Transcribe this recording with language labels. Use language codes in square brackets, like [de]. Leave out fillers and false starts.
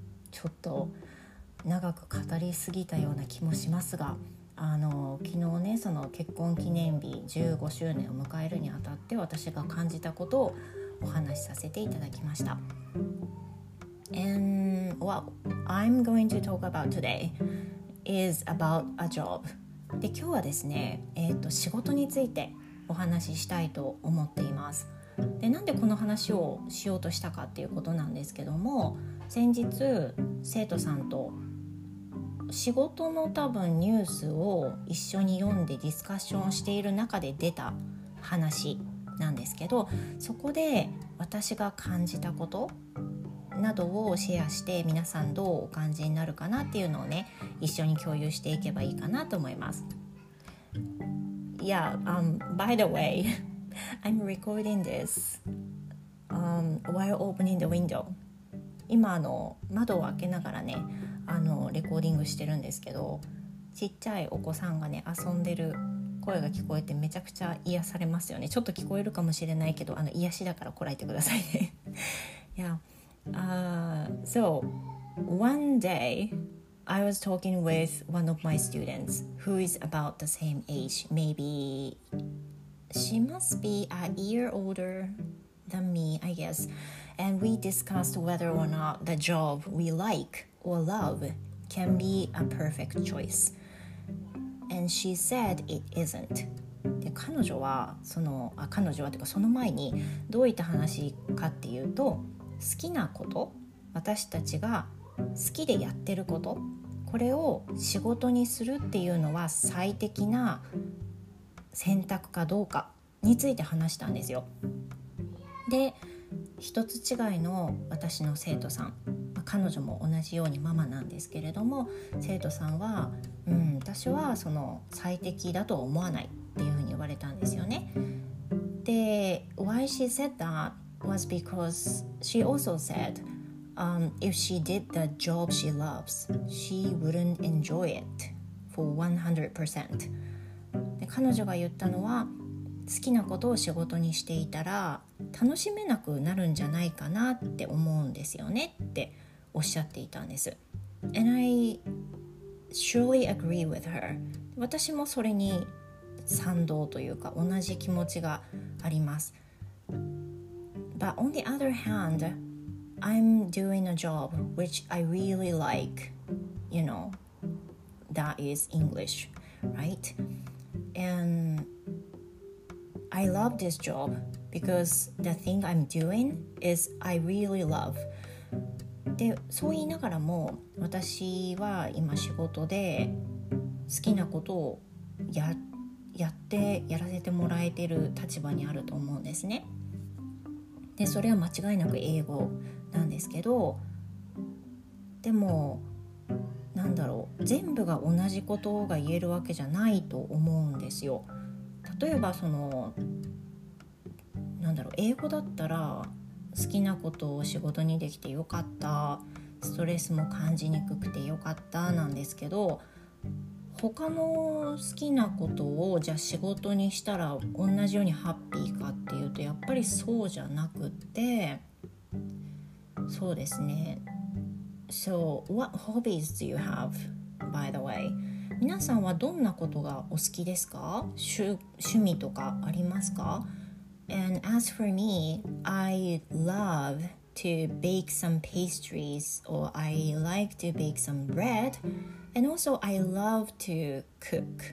[ja] ちょっと長く語りすぎたような気もしますが、昨日ねその結婚記念日15周年を迎えるにあたって私が感じたことをお話しさせていただきました。 [en] And what I'm going to talk about today is about a job. [ja] で今日はですね、仕事についてお話ししたいと思っています。でなんでこの話をしようとしたかっていうことなんですけども、先日生徒さんと仕事の多分ニュースを一緒に読んでディスカッションしている中で出た話なんですけど、そこで私が感じたことなどをシェアして、皆さんどうお感じになるかなっていうのをね一緒に共有していけばいいかなと思います。 [en] Yeah, by the way, I'm recording this while opening the window. [ja] 今窓を開けながらねレコーディングしてるんですけど、ちっちゃいお子さんがね遊んでる声が聞こえてめちゃくちゃ癒されますよね。ちょっと聞こえるかもしれないけど癒しだからこらえてくださいね。 [en] Yeah. So one day I was talking with one of my students who is about the same age. Maybe she must be a year older than me, I guess. And we discussed whether or not the job we like or love can be a perfect choice. And she said it isn't. [ja] で彼女はその前にどういった話かっていうと、好きなこと、私たちが好きでやってること、これを仕事にするっていうのは最適な選択かどうかについて話したんですよ。で一つ違いの私の生徒さん、彼女も同じようにママなんですけれども、生徒さんは私はその最適だとは思わないっていうふうに言われたんですよね。 [en] で、why she said that was because she also said、if she did the job she loves, she wouldn't enjoy it for 100%. [ja] で、彼女が言ったのは、好きなことを仕事にしていたら楽しめなくなるんじゃないかなって思うんですよねっておっしゃっていたんです。 [en] And I surely agree with her. [ja] 私もそれに賛同というか同じ気持ちがあります。 [en] But on the other hand, I'm doing a job which I really like, you know, that is English, right? And I love this job because the thing I'm doing is I really love. [ja] で、そう言いながらも私は今仕事で好きなことを やってやらせてもらえてる立場にあると思うんですね。で、それは間違いなく英語なんですけど、でもなんだろう、全部が同じことが言えるわけじゃないと思うんですよ。例えばそのなんだろう、英語だったら好きなことを仕事にできてよかった、ストレスも感じにくくてよかったなんですけど、他の好きなことをじゃあ仕事にしたら同じようにハッピーかっていうと、やっぱりそうじゃなくって、そうですね。 [en] So what hobbies do you have, by the way? [ja] 皆さんはどんなことがお好きですか？趣味とかありますか？ [en] And as for me, I love to bake some pastries, or I like to bake some bread, and also I love to cook.